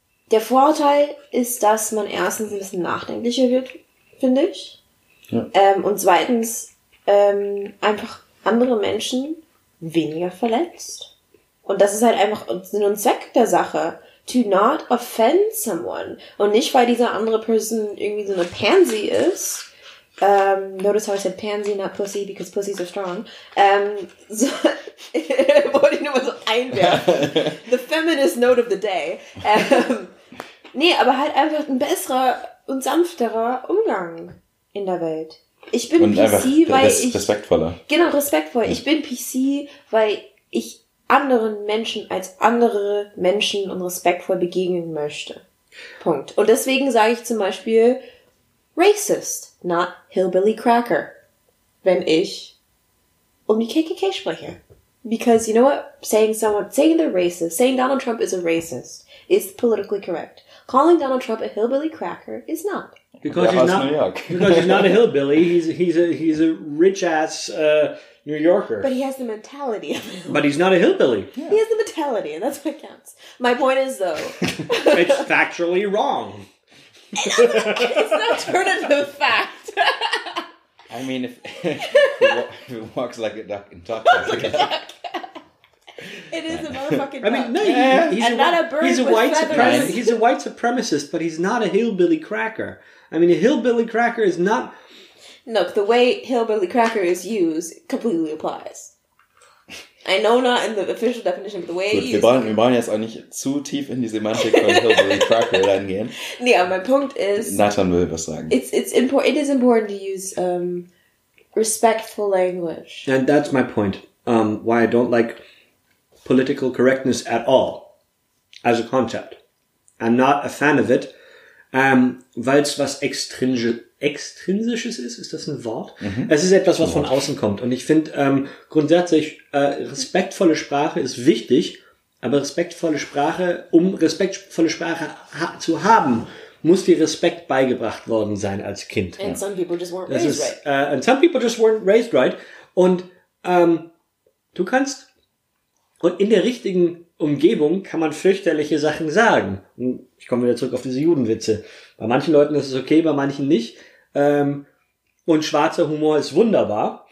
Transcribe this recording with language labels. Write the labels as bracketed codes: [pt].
[de] Der Vorteil ist, dass man erstens ein bisschen nachdenklicher wird, finde ich. Ja. Und zweitens einfach andere Menschen weniger verletzt. Und das ist halt einfach Sinn und Zweck der Sache. [en] To not offend someone. [de] Und nicht, weil diese andere Person irgendwie so eine Pansy ist. [en] Notice how I said Pansy, not Pussy, because Pussies are strong. [de] So wollte ich nur mal so einwerfen. [en] The feminist note of the day. [de] Nee, aber halt einfach ein besserer und sanfterer Umgang in der Welt. Ich bin und PC, weil ich... respektvoller. Genau, respektvoll. Ja. Ich bin PC, weil ich... anderen Menschen als andere Menschen und respektvoll begegnen möchte. Punkt. Und deswegen sage ich zum Beispiel [en] Racist, not Hillbilly Cracker, [de] wenn ich um die KKK spreche. [en] Because you know what? Saying they're racist, saying Donald Trump is a racist is politically correct. Calling Donald Trump a Hillbilly Cracker is not. Because he's not a hillbilly, he's a rich ass New Yorker. But he has the mentality of him. But he's not a hillbilly. Yeah. He has the mentality, and that's what counts. My point is, though... it's factually wrong. It's not turned into a fact. I mean, if he walks like a duck and talks like a duck. It is a motherfucking duck. I mean, no, he's and not a bird he's with a white feathers. Supremacist. He's a white supremacist, but he's not a hillbilly cracker. I mean, a hillbilly cracker is not... Look, the way hillbilly cracker is used completely applies. I know not in the official definition, but the way it's used... [de] Wir wollen jetzt auch nicht zu tief in die Semantik von hillbilly cracker reingehen. Nee, aber mein Punkt ist... Nathan will was sagen. [en] It is important to use respectful language. And that's my point. Why I don't like... political correctness at all as a concept. I'm not a fan of it, [de] weil es was Extrinsisches ist. Ist das ein Wort? Mhm. Es ist etwas, was von außen kommt. Und ich finde grundsätzlich, respektvolle Sprache ist wichtig, aber respektvolle Sprache, um respektvolle Sprache zu haben, muss dir Respekt beigebracht worden sein als Kind. [en] And some people just weren't raised right. And some people just weren't raised right. [de] Und du kannst... Und in der richtigen Umgebung kann man fürchterliche Sachen sagen. Und ich komme wieder zurück auf diese Judenwitze. Bei manchen Leuten ist es okay, bei manchen nicht. Und schwarzer Humor ist wunderbar.